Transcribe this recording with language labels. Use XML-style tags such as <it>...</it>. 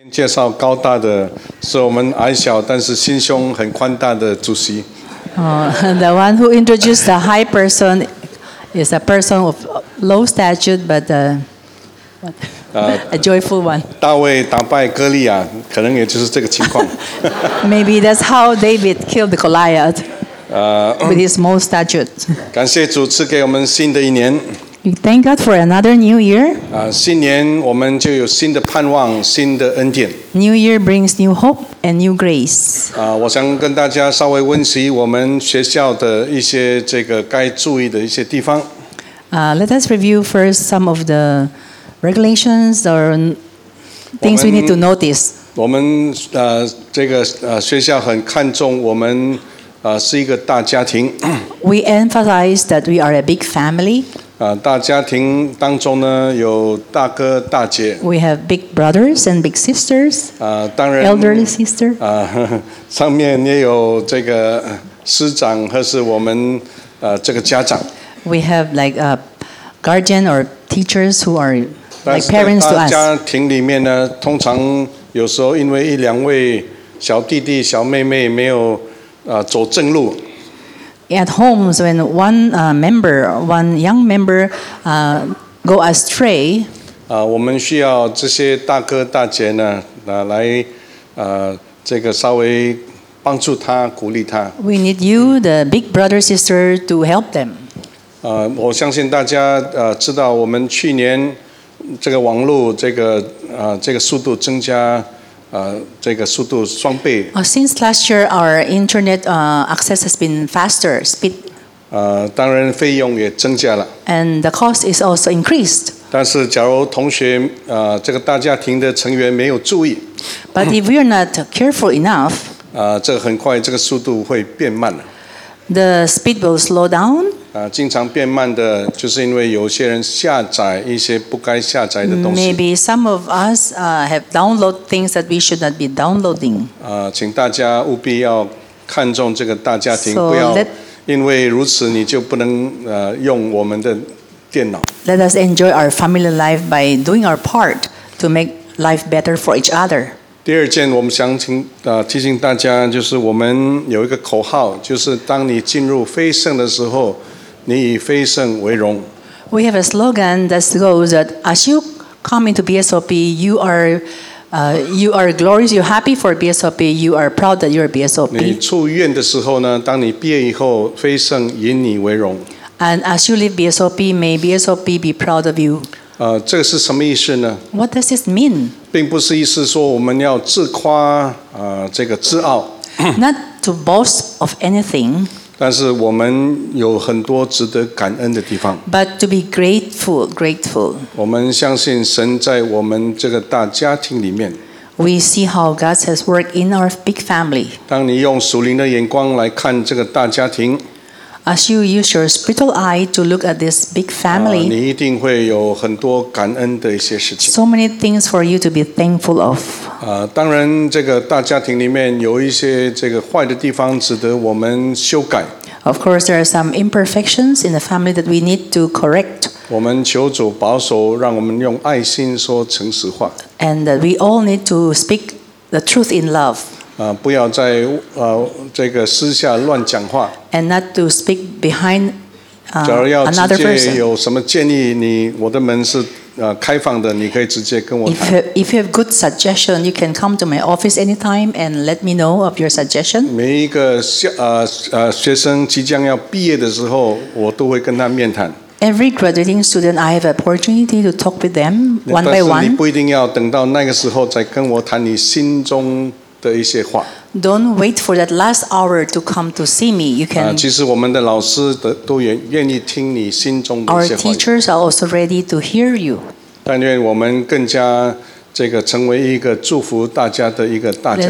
<zh>介绍高大的，是我们矮小但是心胸很宽大的主席。</zh> <en>The one who introduced the high person is a person of low stature, but a joyful one.</en> <zh>大卫打败哥利亚，可能也就是这个情况。</zh> <en>Maybe that's how David killed Goliath. With his small stature.</en> <zh>感谢主赐给我们新的一年。</zh> <en>You thank God for another new year.</en> <zh>新年我们就有新的盼望，新的恩典。</zh> <en>New year brings new hope and new grace.</en> <zh>我想跟大家稍微温习我们学校的一些这个该注意的一些地方。</zh> <en>Let us review first some of the regulations or things we need to notice.</en> <zh>我们学校很看重我们是一个大家庭。</zh> <en>We emphasize that we are a big family.</en> <zh>大家庭当中呢，有大哥大姐。</zh> <en>We have big brothers and big sisters.</en> <zh>当然。</zh> <en>Elderly sister.</en> <zh>上面也有这个师长，或是我们这个家长。</zh> <en>We have like a guardian or teachers who are like parents to us.</en> <zh>大家庭里面呢，通常有时候因为一两位小弟弟、小妹妹没有走正路。</zh> <en>At homes, when one young member, go astray.</en> <zh>我们需要这些大哥大姐呢，来，这个稍微帮助他，鼓励他。</zh> <en>We need you, the big brother sister, to help them.</en> <zh>我相信大家知道，我们去年这个网络这个速度增加。这个速度双倍。</zh> <en>Since last year, our internet access has been faster speed.</en> <zh>当然费用也增加了。</zh> <en>And the cost is also increased.</en> <zh>但是假如同学这个大家庭的成员没有注意。</zh> <en>But if we are not careful enough.</en> <zh>这个很快，这个速度会变慢了。</zh> <en>The speed will slow down.</en> <zh>经常变慢的，就是因为有些人下载一些不该下载的东西。</zh> <en>Maybe some of us have downloaded things that we should not be downloading.</en> <zh>请大家务必要看重这个大家庭，不要因为如此你就不能用我们的电脑。</zh> <en>Let us enjoy our family life by doing our part to make life better for each other.</en> <zh>第二件，我们想提醒大家，就是我们有一个口号，就是当你进入非圣的时候。你以非圣为荣。</zh> <en>We have a slogan that goes that as you come into BSOP, you are glorious, you're happy for BSOP, you are proud that you're BSOP.</en> <zh>你出院的时候呢？当你毕业以后，非圣以你为荣。</zh> <en>And as you leave BSOP, may BSOP be proud of you.</en> <zh>这个是什么意思呢</zh> <en>？What does this mean?</en> <zh>并不是意思说我们要自夸这个自傲。</zh> <en>Not to boast of anything.</en> <zh>但是我们有很多值得感恩的地方。</zh> <en>But to be grateful.</en> <zh>我们相信神在我们这个大家庭里面。</zh> <en>We see how God has worked in our big family.</en> <zh>当你用属灵的眼光来看这个大家庭。</zh> <en>As you use your spiritual eye to look at this big family.</en> <zh>你一定会有很多感恩的一些事情。</zh> <en>So many things for you to be thankful of.</en> <zh>当然这个大家庭里面有一些这个坏的地方值得我们修改。</zh> <en>Of course, there are some imperfections in the family that we need to correct.</en> <zh>我们求主保守，让我们用爱心说诚实话。</zh> <en>And that we all need to speak the truth in love.</en> <zh>不要在这个私下乱讲话。</zh> <en>And not to speak behind another person.</en> <zh>假如要直接有什么建议，你我的门是开放的，你可以直接跟我谈。</zh> <en>If you have good suggestion, you can come to my office anytime and let me know of your suggestion.</en> <zh>每一个学生即将要毕业的时候，我都会跟他面谈。</zh> <en>Every graduating student, I have opportunity to talk with them one by one.</en> <zh>但是你不一定要等到那个时候再跟我谈你心中。的一些话。</zh> <en>Don't wait for that last hour to come to see me. You can.</en> <zh>其实我们的老师都愿意听你心中的一些话。</zh> <en>Our teachers are also ready to hear you.</en> <zh>但愿我们更加这个成为一个祝福大家的一个大家庭。</zh>